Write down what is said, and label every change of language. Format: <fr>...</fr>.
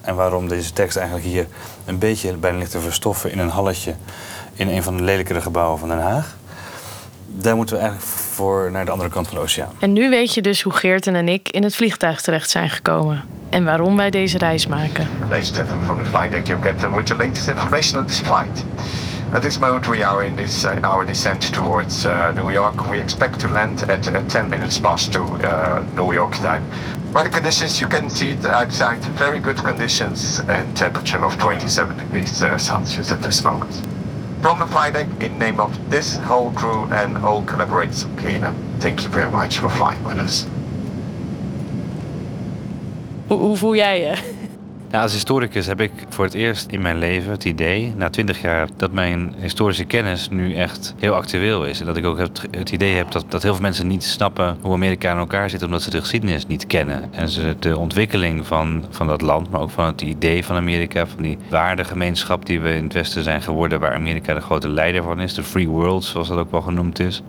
<nl>En waarom deze tekst eigenlijk hier een beetje bijna ligt te verstoffen in een halletje in een van de lelijkere gebouwen van Den Haag. Daar moeten we eigenlijk voor naar de andere kant van de oceaan. En nu weet je dus hoe Geerten en ik in het vliegtuig terecht zijn gekomen. En waarom wij deze reis maken.</nl> <en>Ladies and gentlemen, from the flight deck, you've got the latest information on this flight. At this moment, we are in this in our descent towards New York. We expect to land at 10 minutes past to New York time. Weather conditions, you can see it outside. Very good conditions and temperature of 27 degrees Celsius at this moment. From the flight deck, in name of this whole crew and all collaborators of Kena, thank you very much for flying with us.</en> <nl>Hoe voel jij je? Nou, als historicus heb ik voor het eerst in mijn leven het idee, na 20 jaar, dat mijn historische kennis nu echt heel actueel is. En dat ik ook het idee heb dat heel veel mensen niet snappen hoe Amerika in elkaar zit, omdat ze de geschiedenis niet kennen. En ze de ontwikkeling van dat land, maar ook van het idee van Amerika, van die waardegemeenschap die we in het Westen zijn geworden, waar Amerika de grote leider van is, de free world, zoals dat ook wel genoemd is.</nl>